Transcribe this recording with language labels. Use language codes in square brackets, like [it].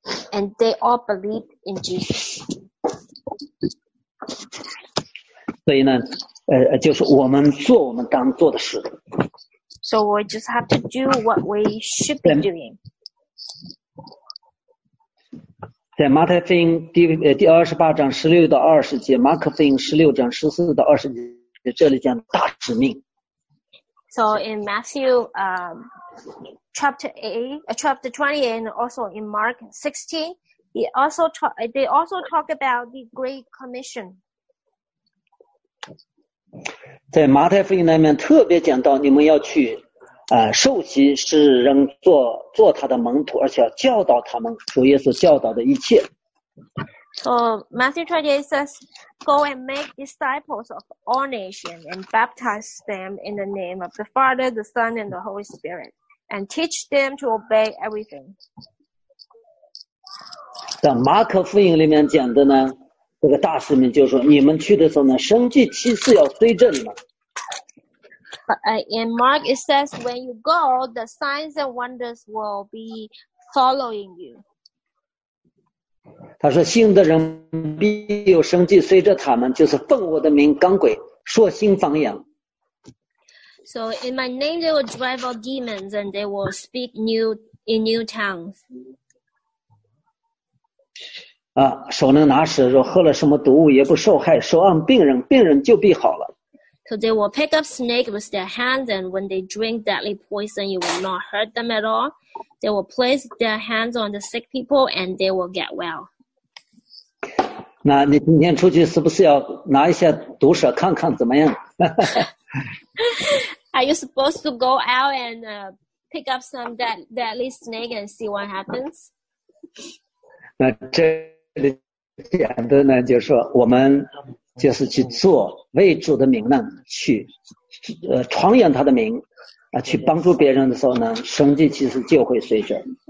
[en] And they all believed in Jesus. [zh] 所以呢，就是我们做我们当做的事。 [en] So we just have to do what we should be doing. [zh] 在马太福音第28:16-20，马可福音16:14-20。这里讲大使命。 [en] So in Matthew, chapter 28, and also in Mark 16, they also talk about the Great Commission. [zh] 在马太福音那边特别讲到，你们要去，受洗使人做他的门徒，而且要教导他们主耶稣教导的一切。 [en] So Matthew 28 says, go and make disciples of all nations and baptize them in the name of the Father, the Son, and the Holy Spirit, and teach them to obey everything. [zh] 在马可福音里面讲的呢，这个大使命就是说，你们去的时候呢，神迹奇事要追证嘛。 [en] In Mark it says, when you go, the signs and wonders will be following you. [zh] 他说，信的人必有神迹随着他们，就是奉我的名赶鬼，说新方言。 [en] So in my name they will drive out demons and they will speak in new tongues. [zh] 啊，手能拿屎，若喝了什么毒物也不受害，手按病人，病人就必好了。 [en] So they will pick up snake with their hands and when they drink deadly poison it will not hurt them at all. They will place their hands on the sick people and they will get well. [zh] 那你今天出去是不是要拿一些毒蛇看看怎么样？ [en] Are you supposed to go out and pick up some deadly snake and see what happens? [zh] 那这里讲的呢，就是说我们就是去做为主的名呢，去传扬他的名啊，去帮助别人的时候呢，神迹其实就会随着。